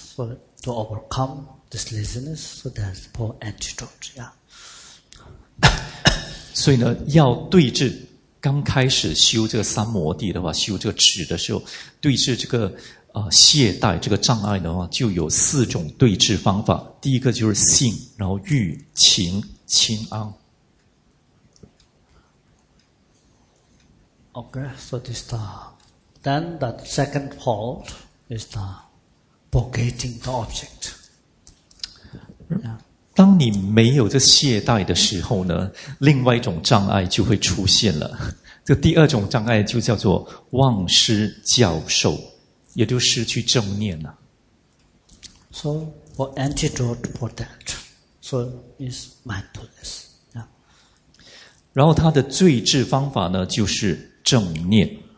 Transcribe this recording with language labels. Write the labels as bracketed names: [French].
[English] So to overcome this laziness, so that's Paul's antidote. Yeah. [Chinese] 所以呢，要对治刚开始修这个三摩地的话，修这个止的时候，对治这个懈怠这个障碍的话，就有四种对治方法。第一个就是信，然后欲、情、清安。 [English] Okay, so this the. Then the second fault is the forgetting the object. Yeah. [Chinese] 当你没有这懈怠的时候呢，另外一种障碍就会出现了。这第二种障碍就叫做忘失教授，也就失去正念了。 [English] So, for antidote for that, so is mindfulness. Yeah. [Chinese] 然后它的最治方法呢，就是正念。